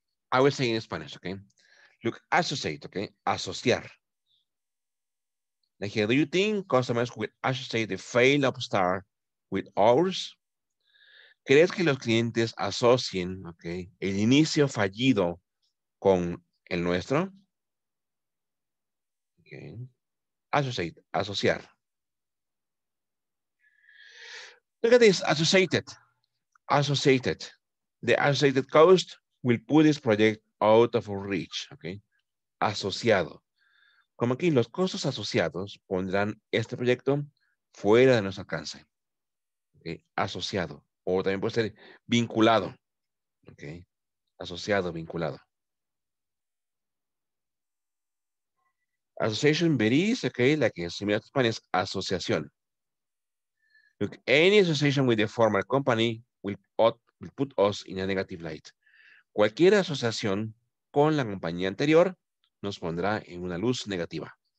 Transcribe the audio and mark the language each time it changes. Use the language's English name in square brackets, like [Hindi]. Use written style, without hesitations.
[English] I will say in Spanish, okay? Look, associate, okay? Asociar. Like here, do you think customers will associate the failed upstart with ours? [Spanish] ¿Crees que los clientes asocien, okay, el inicio fallido con el nuestro? [English] Okay. Associate, asociar. Look at this, associated. Associated. The associated cost will put this project out of reach, okay? [Spanish] Asociado. Como aquí, los costos asociados pondrán este proyecto fuera de nuestro alcance. Okay? Asociado. O también puede ser vinculado. Okay? Asociado, vinculado. [English] Association varies, okay? Like in similar to Spanish, asociación. Look, any association with the former company will put us in a negative light. [Spanish] Cualquier asociación con la compañía anterior nos pondrá en una luz negativa.